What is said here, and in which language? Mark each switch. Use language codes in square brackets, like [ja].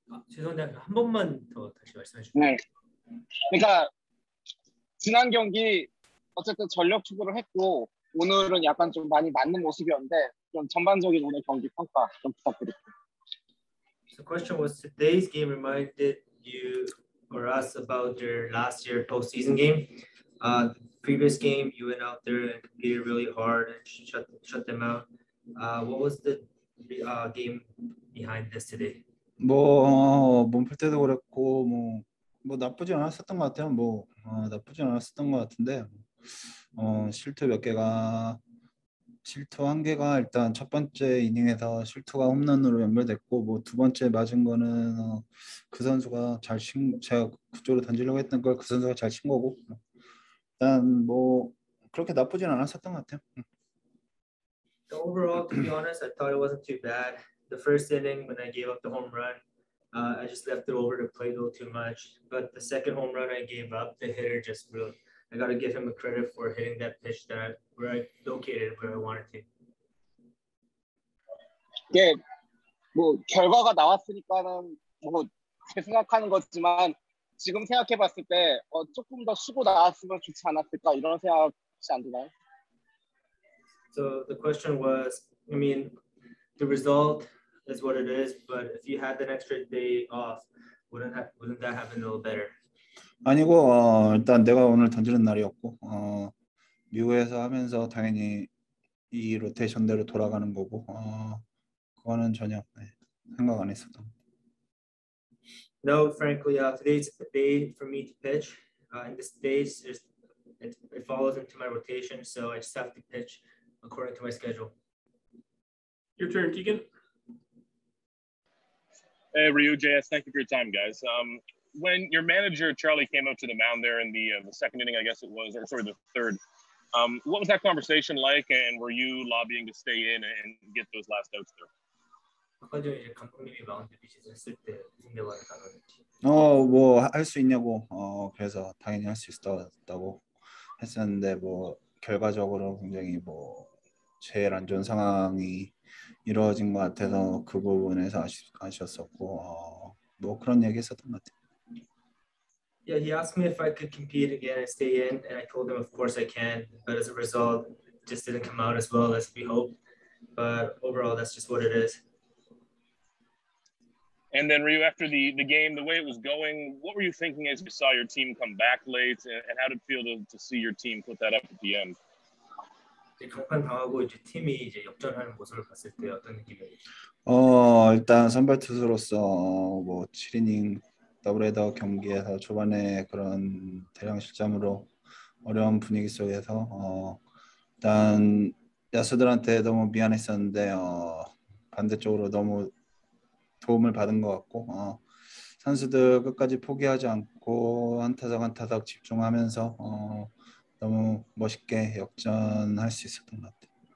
[ko] 죄송한데 한 번만 더 다시 말씀해 주세요. 네. 그러니까 지난 경기 어쨌든 전력 투구를 했고 오늘은 약간 좀 많이 맞는 모습이었는데 좀 전반적인 오늘 경기 평가 좀 부탁드릴게요. [en] So question was today's game reminded you or us about your last year postseason game. Previous game you went out there and competed really hard and shut them out. What was the game behind this today? [ko] 뭐 몸풀 때도 그랬고 뭐 나쁘지 않았었던 것 같아요. 나쁘지 않았었던 것 같은데 실투 몇 개가 실투 한 개가 일단 첫 번째 이닝에서 실투가 홈런으로 연결됐고 뭐두 번째 맞은 거는 그 선수가 잘친 제가 그쪽으로 던지려고 했던 걸그 선수가 잘친 거고 일단 뭐 그렇게 나쁘진 않았었던 것 [en] Overall, to [ko] 같아요. [en] be honest, I thought it wasn't too bad. The first inning, when I gave up the home run, I just left it over to play a little too much. But the second home run I gave up, the hitter just really, I got to give him a credit for hitting that pitch that where I located where I wanted to. [ko] 이게 뭐 결과가 나왔으니까는 뭐 재생각하는 거지만 지금 생각해 봤을 때 조금 더 쉬고 나왔으면 좋지 않았을까 이런 생각이 안 드나요? [en] So the question was, I mean, the result is what it is, but if you had an extra day off, wouldn't that have been a little better? [ko] 아니고 일단 내가 오늘 던지는 날이었고 미국에서 하면서 당연히 이 로테이션대로 돌아가는 거고 그거는 전혀 생각 안 했었던 거. [en] No, frankly, today's a day for me to pitch. In this day, it follows into my rotation, so I just have to pitch according to my schedule. Your turn, Tegan. Hey, Ryu, JS, thank you for your time, guys. When your manager, Charlie, came up to the mound there in the second inning, I guess it was, or sorry, the third, what was that conversation like? And were you lobbying to stay in and get those last outs there? [ko] 아까 전에 이제 감독님이 마운드 비치즈 했을 때 무슨 대화를 나눴는지. 뭐할수 있냐고 그래서 당연히 할수 있었다고 했었는데 뭐 결과적으로 굉장히 뭐 제일 안 좋은 상황이 이루어진 것 같아서 그 부분에서 아쉬웠었고 뭐 그런 얘기 했었던 것 같아요. [en] Yeah, he asked me if I could compete again and stay in, and I told him, of course I can. But as a result, it just didn't come out as well as we hoped. But overall, that's just what it is. And then Ryu, after the game, the way it was going, what were you thinking as you saw your team come back late, and how did it feel to see your team put that up at the end? [ko] 강판 당하고 이제 팀이 이제 역전하는 모습을 봤을 때 어떤 느낌이었죠? 일단 선발 투수로서 뭐 7이닝 더블헤더 경기에서 초반에 그런 대량 실점으로 어려운 분위기 속에서 일단 야수들한테 너무 미안했었는데 반대쪽으로 너무 도움을 받은 것 같고 선수들 끝까지 포기하지 않고 한타석 한타석 집중하면서 너무 멋있게 역전할 수 있었던 것 같아요.